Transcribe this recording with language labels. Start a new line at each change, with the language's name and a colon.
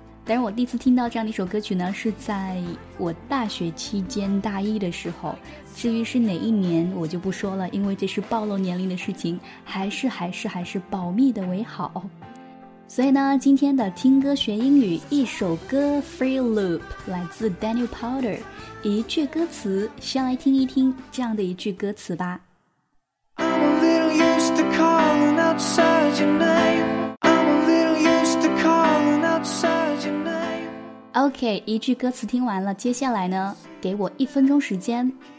Chinese: 但是我第一次听到这样的一首歌曲呢，是在我大学期间大一的时候，至于是哪一年我就不说了，因为这是暴露年龄的事情，还是保密的为好。所以呢，今天的听歌学英语，一首歌 Free Loop 来自 Daniel Powder， 一句歌词，先来听一听这样的一句歌词吧。
English: I'm a little used to calling outside your name. I'm a little used to calling outside your name.
Chinese: OK， 一句歌词听完了，接下来呢，给我一分钟时间。